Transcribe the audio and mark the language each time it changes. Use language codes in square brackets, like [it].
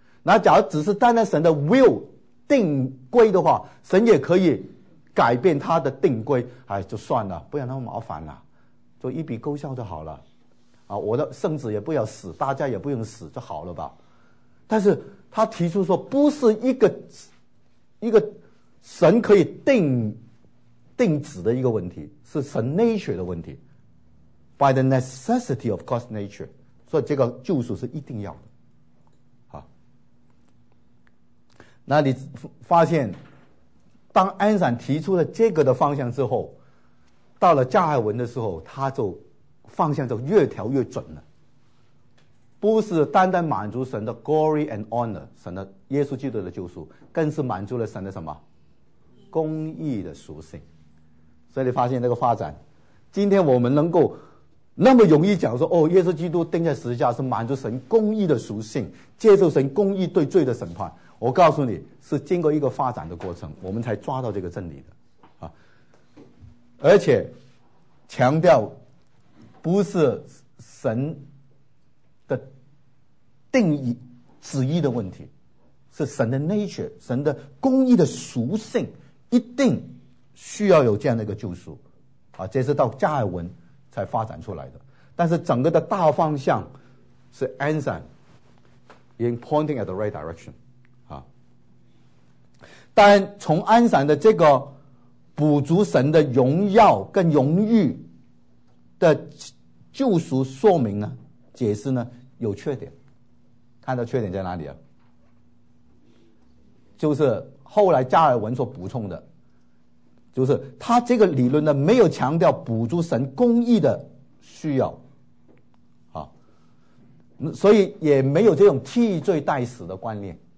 [zh] 那假如只是单单神的 will 定规的话，神也可以改变他的定规，哎，就算了，不要那么麻烦了，就一笔勾销就好了啊，我的圣子也不要死，大家也不用死就好了吧。但是他提出说，不是一个神可以定旨的一个问题，是神 nature 的问题。 [en] By the necessity of God's nature， [zh] 所以这个救赎是一定要的。好，那你发现，当安散提出了这个的方向之后，到了加尔文的时候，他就方向就越调越准了。不是单单满足神的 [en] glory and honor， [zh] 神的耶稣基督的救赎，更是满足了神的什么公义的属性。所以你发现那个发展，今天我们能够那么容易讲说，哦，耶稣基督钉在十字架是满足神公义的属性，接受神公义对罪的审判。我告诉你，是经过一个发展的过程，我们才抓到这个真理的，啊。而且强调，不是神的定义、旨意的问题，是神的 nature， 神的公义的属性，一定需要有这样的一个救赎，啊，这是到加尔文才发展出来的。但是整个的大方向是 [en] Anson in pointing at the right direction。 [zh] 但从安散的这个补足神的荣耀跟荣誉的救赎说明呢，解释呢，有缺点。看到缺点在哪里啊？就是后来加尔文所补充的，就是他这个理论呢，没有强调补足神公义的需要，啊，所以也没有这种替罪代死的观念。